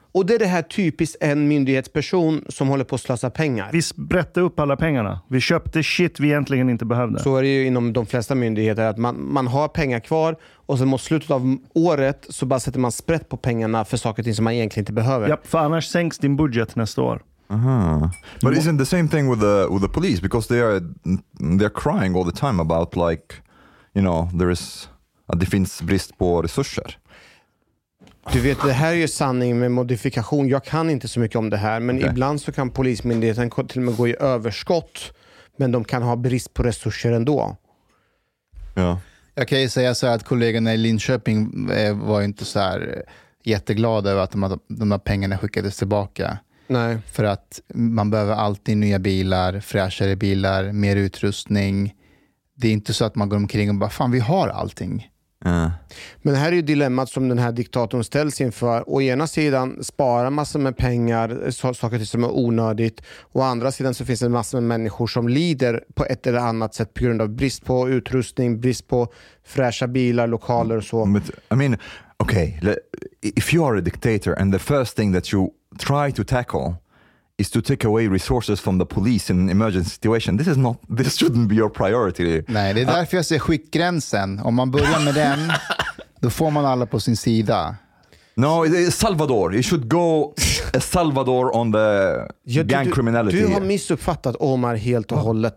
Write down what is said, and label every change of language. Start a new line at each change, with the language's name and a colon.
Swedish: Och det är det här typiskt en myndighetsperson som håller på att slösa pengar. Vi brette upp alla pengarna. Vi köpte shit vi egentligen inte behövde. Så är det ju inom de flesta myndigheter att man har pengar kvar och sen mot slutet av året så bara sätter man sprätt på pengarna för saker och ting som man egentligen inte behöver. Ja, för annars sänks din budget nästa år. Uh-huh.
English: But isn't the same thing with the police, because they are crying all the time about, like, you know, there is
Swedish: att det finns brist på resurser. Du vet, det här är ju sanning med modifikation. Jag kan inte så mycket om det här, men okay. Ibland så kan polismyndigheten till och med gå i överskott, men de kan ha brist på resurser ändå. Ja. Jag kan ju säga så här att kollegorna i Linköping var inte så här jätteglada över att de här pengarna skickades tillbaka. Nej. För att man behöver alltid nya bilar, fräschare bilar, mer utrustning. Det är inte så att man går omkring och bara, fan, vi har allting. Men det här är ju dilemmat som den här diktatorn ställs inför. Å ena sidan sparar massor med pengar, saker som är onödigt. Å andra sidan så finns det massor med människor som lider på ett eller annat sätt på grund av brist på utrustning, brist på fräscha bilar, lokaler och så.
English: But, I mean, okay, if you are a dictator and the first thing that you try to tackle is to take away resources from the police in an emergency situation. This shouldn't be your priority.
Swedish: Nej, det är därför jag ser skickgränsen. Om man börjar med den, då får man alla på sin sida.
English: No, it's Salvador. It should go a Salvador on the gang criminality.
Swedish: Du har missuppfattat Omar helt och hållet.